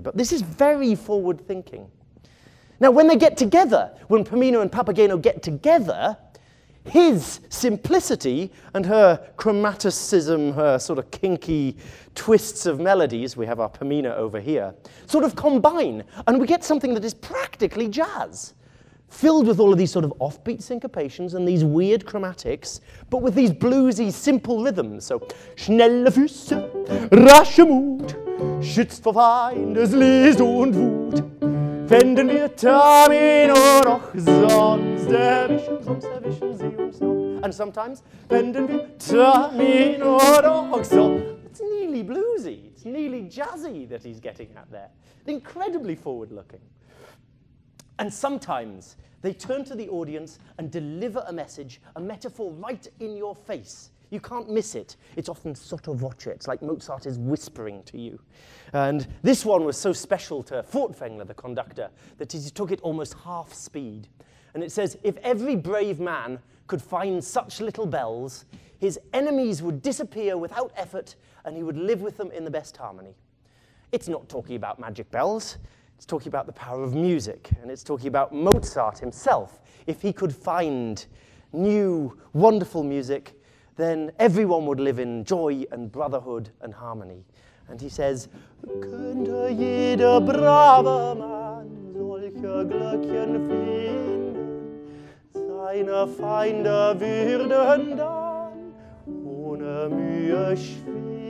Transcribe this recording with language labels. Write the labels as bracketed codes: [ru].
[en] But this is very forward-thinking. Now, when they get together, when Pamino and Papageno get together, his simplicity and her chromaticism, her sort of kinky twists of melodies, we have our Pamino over here, sort of combine, and we get something that is practically jazz, filled with all of these sort of offbeat syncopations and these weird chromatics, but with these bluesy, simple rhythms. [de] So, schnelle Füße, rasche Mut, schützt vor Feindes, List und Wut, fänden wir Tamino noch sonst, erwischen sie uns noch. [en] And sometimes, [de] fänden wir Tamino noch sonst. [en] It's nearly bluesy, it's nearly jazzy that he's getting at there. Incredibly forward-looking. And sometimes they turn to the audience and deliver a message, a metaphor right in your face. You can't miss it. It's often sotto voce. It's like Mozart is whispering to you. And this one was so special to Furtwängler, the conductor, that he took it almost half speed. And it says, if every brave man could find such little bells, his enemies would disappear without effort and he would live with them in the best harmony. It's not talking about magic bells. It's talking about the power of music, and it's talking about Mozart himself. If he could find new, wonderful music, then everyone would live in joy and brotherhood and harmony. And he says, [de] könnte jeder brave Mann solche Glöckchen finden, seine Feinde würden dann ohne Mühe schwinden.